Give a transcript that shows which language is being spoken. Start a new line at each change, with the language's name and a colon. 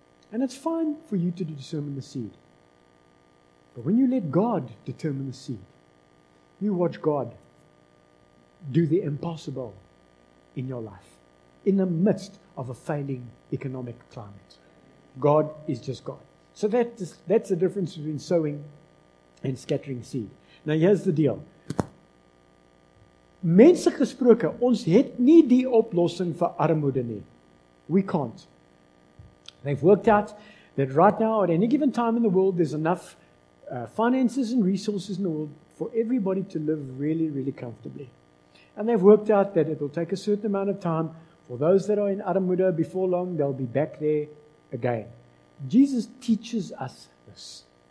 English: And it's fine for you to determine the seed. But when you let God determine the seed, you watch God do the impossible in your life. In the midst of a failing economic climate. God is just God. So that's the difference between sowing and scattering seed. Now here's the deal.
Afrikaans: Mense gesproke, ons het nie die oplossing vir armoede nie.
English: We can't. They've worked out that right now, at any given time in the world, there's enough finances and resources in the world for everybody to live really, really comfortably. And they've worked out that it will take a certain amount of time for those that are in armoede, before long, they'll be back there again. Jesus teaches us this.